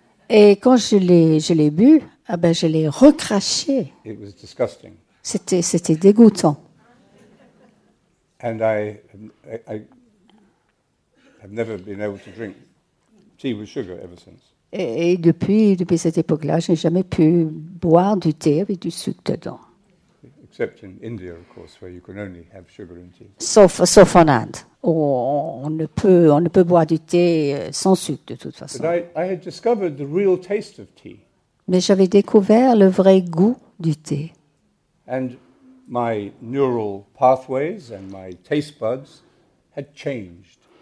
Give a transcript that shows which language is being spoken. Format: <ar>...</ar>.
<fr>Et quand je l'ai bu, ah ben je l'ai recraché.</fr> <en>It was disgusting.</en> <fr>C'était dégoûtant.</fr> <en>And I have never been able to drink tea with sugar ever since.</en> <fr>Et depuis cette époque-là, je n'ai jamais pu boire du thé avec du sucre dedans.</fr> <en>Except in India, of course, where you can only have sugar in tea.</en> <fr>Sauf en Inde, où on ne peut boire du thé sans sucre de toute façon.</fr> <en>But I had discovered the real taste of tea.</en> <fr>Mais j'avais découvert le vrai goût du thé.</fr> <en>And my neural pathways and my taste buds had changed.</en>